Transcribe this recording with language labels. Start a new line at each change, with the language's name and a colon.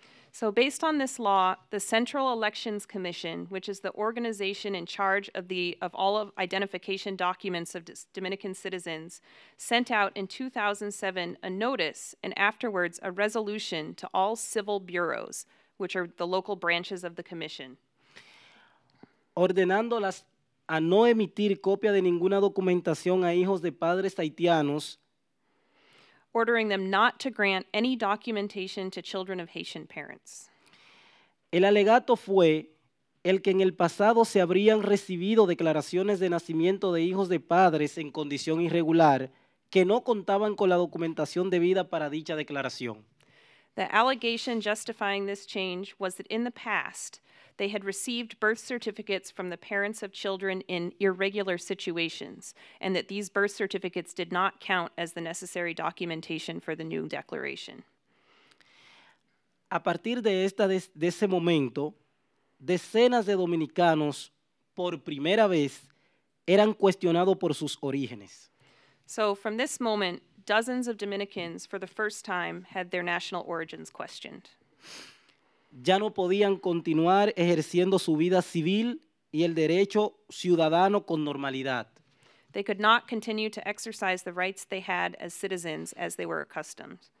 English: So based on this law, the Central Elections Commission, which is the organization in charge of all of identification documents of Dominican citizens, sent out in 2007 a notice and afterwards a resolution to all civil bureaus, which are the local branches of the commission.
Spanish: ordenándolas a no emitir copia de ninguna documentación a hijos de padres haitianos.
English: Ordering them not to grant any documentation to children of Haitian parents.
Spanish: El alegato fue el que en el pasado se habrían recibido declaraciones de nacimiento de hijos de padres en condición irregular que no contaban con la documentación debida para dicha declaración.
English: The allegation justifying this change was that in the past, they had received birth certificates from the parents of children in irregular situations, and that these birth certificates did not count as the necessary documentation for the new declaration.
Spanish: A partir de esta de ese momento, decenas de dominicanos por primera vez eran cuestionados por sus orígenes.
English: So from this moment, dozens of Dominicans for the first time had their national origins questioned.
Spanish: Ya no podían continuar ejerciendo su vida civil y el derecho ciudadano con normalidad.
English: They could not continue to exercise the rights they had as citizens as they were accustomed.